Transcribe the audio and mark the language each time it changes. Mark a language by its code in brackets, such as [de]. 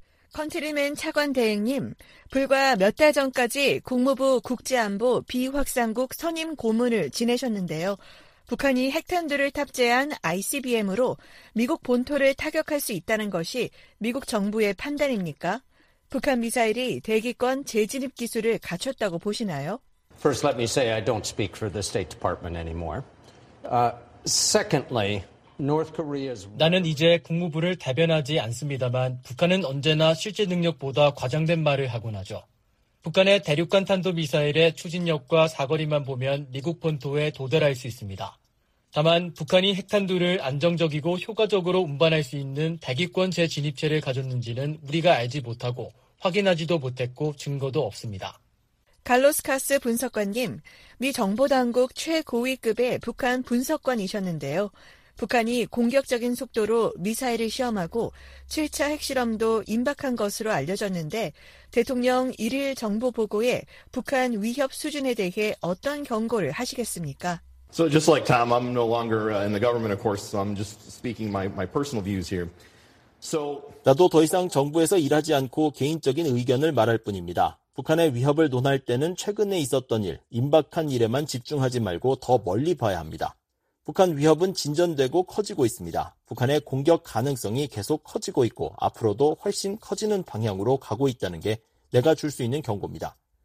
[ko] 컨트리맨 차관대행님, 불과 몇 달 전까지 국무부 국제안보 비확산국 선임 고문을 지내셨는데요. 북한이 핵탄두를 탑재한 ICBM으로 미국 본토를 타격할 수 있다는 것이 미국 정부의 판단입니까? 북한 미사일이 대기권 재진입 기술을 갖췄다고 보시나요? [en] First, let me say I don't speak for the State Department anymore. Secondly, North Korea's [ko] 나는 이제 국무부를 대변하지 않습니다만 북한은 언제나 실제 능력보다 과장된 말을 하곤 하죠. 북한의 대륙간 탄도미사일의 추진력과 사거리만 보면 미국 본토에 도달할 수 있습니다. 다만 북한이 핵탄두를 안정적이고 효과적으로 운반할 수 있는 대기권 재진입체를 가졌는지는 우리가 알지 못하고 확인하지도 못했고 증거도 없습니다. 갈로스카스 분석관님, 미 정보당국 최고위급의 북한 분석관이셨는데요. 북한이 공격적인 속도로 미사일을 시험하고 7차 핵실험도 임박한 것으로 알려졌는데 대통령 1일 정보 보고에 북한 위협 수준에 대해 어떤 경고를 하시겠습니까? [en] So just like Tom, I'm no longer in the government, of course. So I'm just speaking my personal views here. So [ko] 나도 더 이상 정부에서 일하지 않고 개인적인 의견을 말할 뿐입니다. 북한의 위협을 논할 때는 최근에 있었던 일, 임박한 일에만 집중하지 말고 더 멀리 봐야 합니다. 북한 위협은 진전되고 커지고 있습니다. 북한의 공격 가능성이 계속 커지고 있고 앞으로도 훨씬 커지는 방향으로 가고 있다는 게 내가 줄 수 있는 경고입니다.